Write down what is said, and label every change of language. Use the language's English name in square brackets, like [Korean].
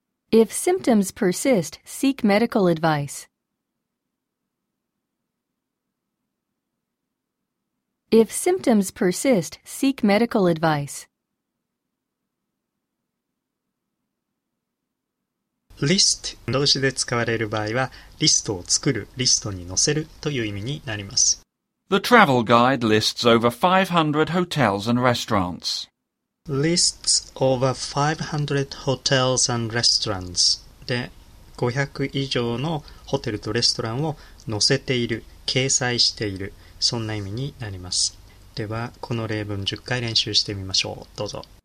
[English] If symptoms persist, seek medical advice. If symptoms persist, seek medical advice. [Japanese] List 動詞で使われる場合は、リストを作る、リストに載せるという意味になります。 [English] The travel guide lists over 500 hotels and restaurants. Lists over 500 hotels and restaurants. [Japanese] で、500以上のホテルとレストランを載せている、掲載している。そんな意味になります。では、この例文10回練習してみましょう。どうぞ。